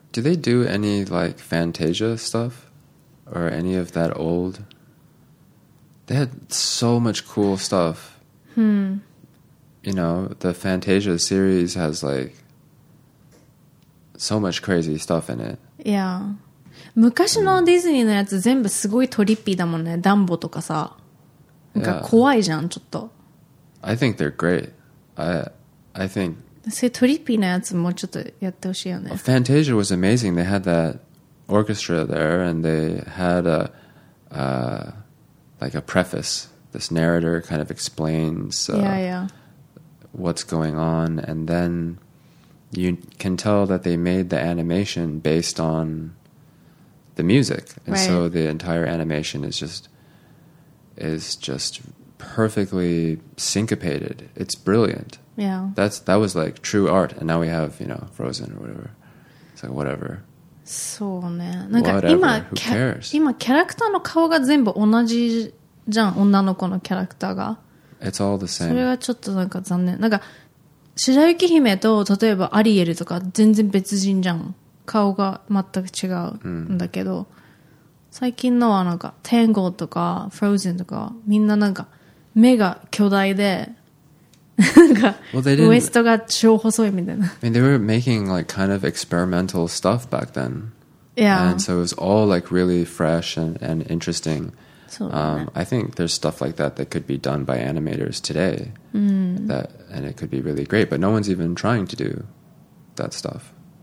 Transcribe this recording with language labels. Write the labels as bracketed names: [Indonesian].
[English] Do they do any like Fantasia stuff or any of that old? They had so much cool stuff. You know, the Fantasia series has like so much crazy stuff in it. Yeah. [Japanese] 昔のディズニーのやつ全部すごいトリッピーだもんね。ダンボとかさ。なんか怖いじゃん、ちょっと。 [English] I think they're great. I think... [Japanese] そういうトリッピーなやつもちょっとやってほしいよね。 [English] Fantasia was amazing. They had that orchestra there and they had a like a preface. This narrator kind of explains what's going on, and then you can tell that they made the animation based on the music. And so the entire animation is just perfectly syncopated. It's brilliant. Yeah. That was like true art, and now we have, you know, Frozen or whatever. It's like whatever. [Japanese] そうね。なんか今、今キャラクターの顔が全部同じじゃん、女の子のキャラクターが。 [English] It's all the same. [Japanese] それはちょっとなんか残念。なんか、白雪姫と例えばアリエルとか全然別人じゃん。顔が全く違うんだけど、最近のはなんか、Tangled とか Frozen とか、みんななんか目が巨大で、 [English] well, [Japanese] ウエストが超細いみたいな。 [English] I mean, they were making like kind of experimental stuff back then. Yeah. And so it was all like really fresh and interesting. [Japanese] そうだね。 [English] I think there's stuff like that that could be done by animators today. And it could be really great, but no one's even trying to do that stuff.